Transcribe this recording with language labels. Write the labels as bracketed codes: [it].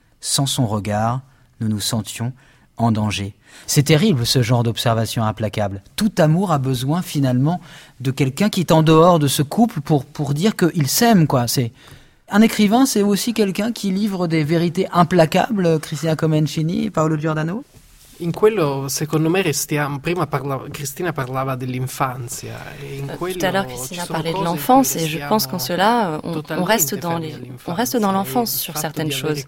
[fr] Sans son regard, nous nous sentions en danger. C'est terrible ce genre d'observation implacable. Tout amour a besoin finalement de quelqu'un qui est en dehors de ce couple pour dire qu'il s'aime, quoi. C'est un écrivain, c'est aussi quelqu'un qui livre des vérités implacables, Cristina Comencini, Paolo Giordano. [it] In quello, secondo me, restiamo. Prima Cristina parlava dell'infanzia. [fr] Tout à l'heure, Cristina parlait de l'enfance, et je pense qu'en cela, on reste dans l'enfance sur certaines choses.